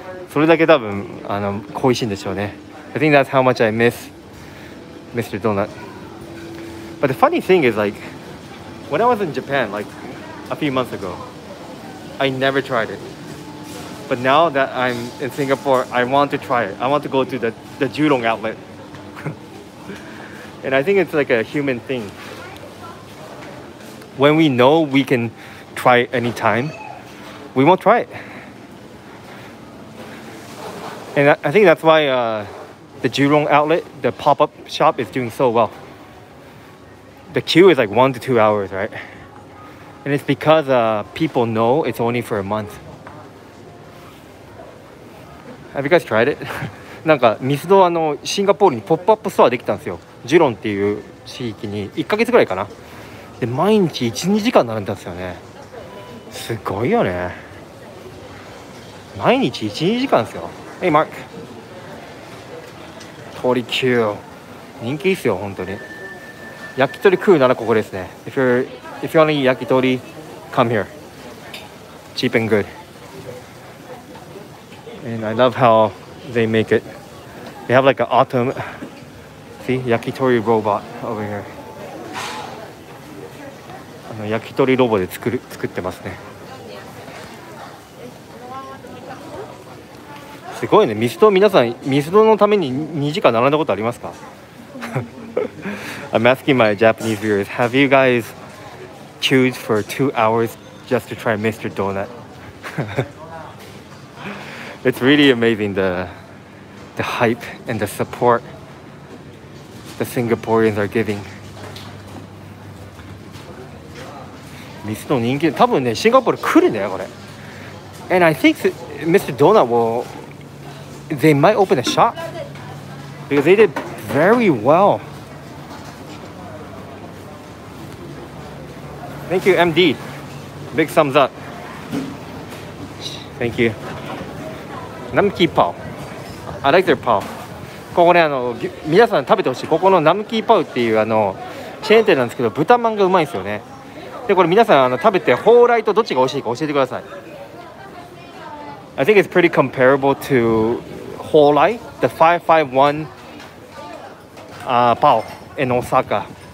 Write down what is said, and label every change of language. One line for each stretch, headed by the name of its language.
Japanese: それだけ多分、あの、恋しいんでしょうね。
English: I think that's how much I miss Mr. Donut. But the funny thing is, like, when I was in Japan, like, a few months ago, I never tried it. But now that I'm in Singapore, I want to try it. I want to go to the Jurong outlet. And I think it's like a human thing. When we know we can try it anytime, we won't try it. And I think that's why the Jurong outlet, the pop-up shop, is doing so well. The queue is like 1 to 2 hours, right? And it's because people know it's only for a month. Have you guys tried it?
Japanese: なんかミスドあのシンガポールにポップアップストアできたんですよ。ジュロンっていう地域に1ヶ月ぐらいかな。で毎日 1,2 時間並んでたんですよね。すごいよね。毎日 1,2 時間ですよ。
English: Hey Mark.
Japanese: Torikyu. 人気ですよ本当に。焼き鳥食うならここですね。
English: If you want to eat yakitori, come here. Cheap and good. And I love how they make it. They have like an autumn, see, yakitori robot over here.
Japanese: あの焼き鳥ロボで作ってますね。すごいね。ミスド皆さん、ミスドのために2時間並んだことありますか?
English: I'm asking my Japanese viewers, have you guys queued for 2 hours just to try Mr. Donut? It's really amazing the hype and the support the Singaporeans are giving. Mr.
Japanese: 人気、多分ね、シンガポール来るね、これ。
English: And I think Mr. Donut will, they might open a shop because they did very well. Thank you, MD. Big thumbs up. Thank you.
Japanese: ナムキーパオ
English: I like their
Japanese: パオここねあの皆さん食べてほしいここのナムキーパオっていうあのチェーン店なんですけど豚まんがうまいんですよねでこれ皆さんあの食べてホーライとどっちが美味しいか教えてください
English: I think it's pretty comparable to ホーライ the 551 パオ in Osaka